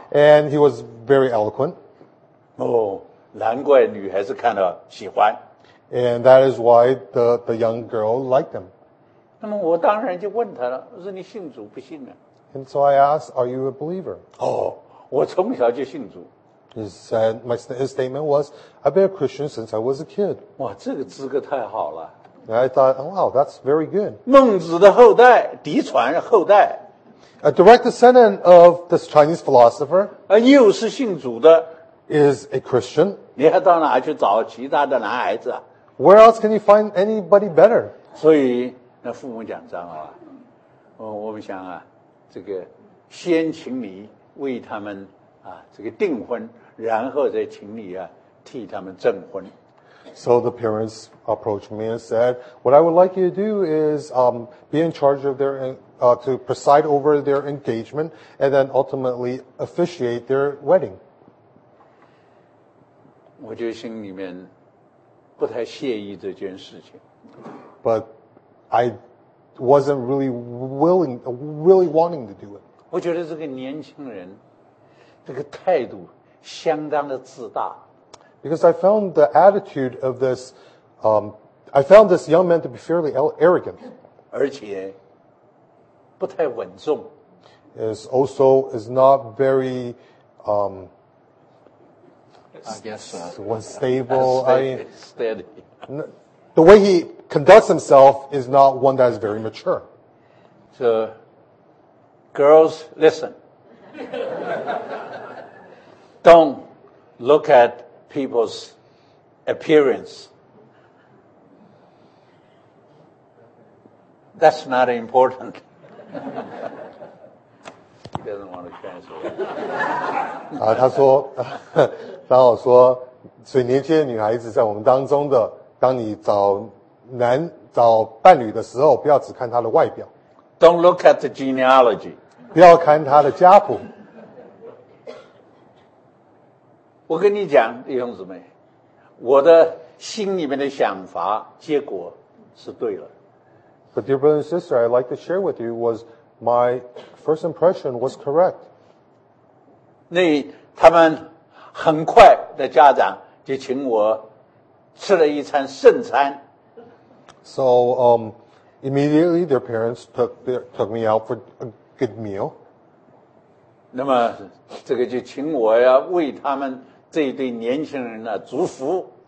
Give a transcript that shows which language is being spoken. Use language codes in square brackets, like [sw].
[en] And he was very eloquent. [zh] 哦，难怪女孩子看到喜欢。 [en] And that is why the young girl liked him. [zh] 那么我当然就问他了，我说你信主不信呢？ [en] And so I asked, are you a believer? [zh] 哦，我从小就信主。 [en] He said, his statement was, I've been a Christian since I was a kid. [zh] 哇，这个资格太好了。 [en] I thought, wow, that's very good. [zh] 孟子的后代，嫡传后代。 [en] A direct descendant of this Chinese philosopher. [zh] 又是信主的。 [en] Is a Christian. [zh] 你还到哪去找其他的男孩子啊？ [en] Where else can you find anybody better? [zh] 所以那父母讲长老啊，我们想啊，这个先请你为他们啊这个订婚，然后再请你啊替他们证婚。 [en] So the parents approached me and said, what I would like you to do is be in charge of their, to preside over their engagement and then ultimately officiate their wedding. [zh] 我就心里面不太惬意这件事情。 [en] But I wasn't really wanting to do it. [zh] 我觉得这个年轻人这个态度相当的自大。 [en] Because I found the attitude of this, I found this young man to be fairly arrogant. [zh] 而且不太稳重。 [en] Is not very, unstable. Steady. The way he conducts himself is not one that is very mature. So, girls, listen. Don't look at people's appearance. That's not important. He doesn't want to cancel. [zh] 啊，他说，张老说，所以年轻的女孩子在我们当中的，当你找伴侣的时候，不要只看她的外表。 [en] Don't look at the genealogy. [zh] 不要看她的家谱。我跟你讲，弟兄姊妹，我的心里面的想法结果是对了。 [en] But dear brother and sister, I'd like to share with you was my first impression was correct. [zh] 那他们很快的家长就请我吃了一餐圣餐。 [en] So immediately their parents took me out for a good meal. [zh] 那么这个就请我呀为他们这一对年轻人呢祝福。